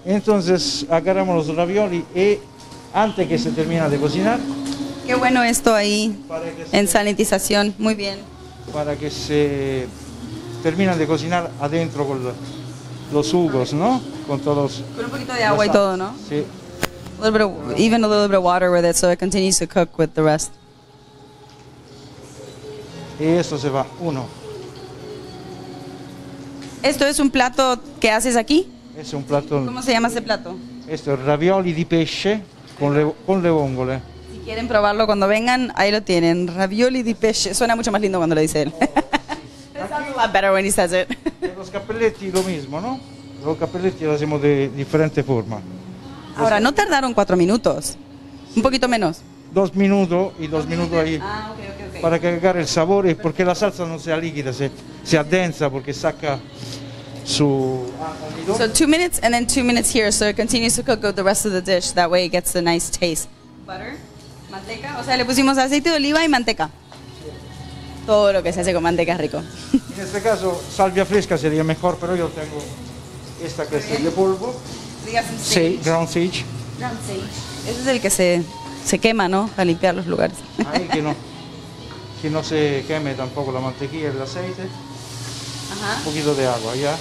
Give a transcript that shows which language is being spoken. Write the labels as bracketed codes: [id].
[es] Entonces, agarramos los ravioli y antes que se termine de cocinar. Qué bueno esto ahí, en sanitización. Muy bien. Para que se termine de cocinar adentro con los jugos, ¿no? Con todos. Con un poquito de agua y todo, ¿no? Sí. [en] A little bit of, even a little bit of water with it, so it continues to cook with the rest. [es] Y esto se va. Uno. ¿Esto es un plato que haces aquí? Es un plato... ¿Cómo se llama ese plato? Esto es ravioli di pesce con le vongole. Si quieren probarlo cuando vengan, ahí lo tienen. Ravioli di pesce. Suena mucho más lindo cuando lo dice él. Oh, sí. [en] It sounds a lot better when he says it. [es] Los cappelletti lo mismo, ¿no? Los cappelletti lo hacemos de diferente forma. Ahora, ¿no tardaron 4 minutos? Sí. Un poquito menos. 2 minutos y 2 minutos ahí. Ah, ok. Para que agarre el sabor y porque la salsa no sea líquida, se... ¿sí? se adensa porque saca su... [en] So 2 minutes and then 2 minutes here, so it continues to cook with the rest of the dish, that way it gets a nice taste. [es] Butter, manteca, o sea, le pusimos aceite de oliva y manteca. Todo lo que se hace con manteca es rico. En este caso, salvia fresca sería mejor, pero yo tengo esta que es de polvo. [en] Sí, ground sage. [es] Ground sage. Ese es el que se quema, ¿no? Para limpiar los lugares. Ahí que no. Que no se queme tampoco la mantequilla, el aceite. Ajá. Un poquito de agua, ya.